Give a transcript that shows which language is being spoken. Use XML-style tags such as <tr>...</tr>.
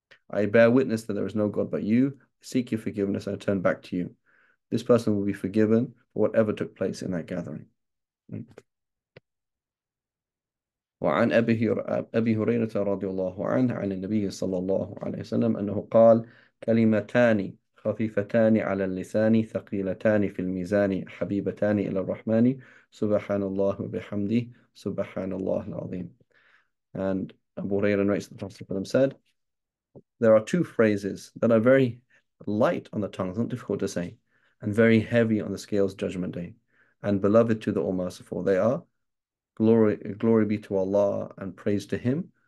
<en>I bear witness that there is no God but you. Seek your forgiveness and I turn back to you. This person will be forgiven for whatever took place in that gathering.</en> <ar>وعن أبي هريرة رضي الله عنه عن النبي صلى الله عليه وسلم أنه قال كلمتان خفيفتان على اللسان ثقيلتان في الميزان حبيبتان إلى الرحمن سبحان الله وبحمده سبحان الله العظيم.</ar> <en>And Abu Hurairah narrates that the Prophet said, there are two phrases that are very light on the tongue, not difficult to say, and very heavy on the scales judgment day, and beloved to the All Merciful. They are glory be to Allah and praise to Him.</en>